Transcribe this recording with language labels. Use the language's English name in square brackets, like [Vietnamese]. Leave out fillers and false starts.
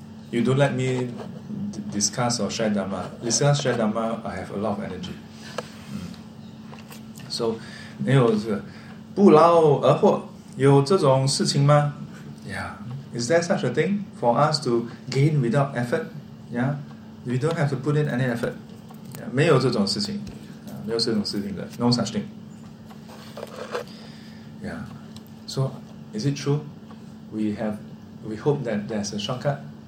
[English] You don't let me discuss or share Dhamma. Discuss share Dhamma, I have a lot of energy. [Chinese] So, 没有不劳而获, 有这种事情吗? [English] Yeah. Is there such a thing for us to gain without effort? Yeah. We don't have to put in any effort. [Chinese] Yeah. 没有这种事情, 没有这种事情的, [English] no such thing. Yeah. So, is it true? We hope that there's a shortcut.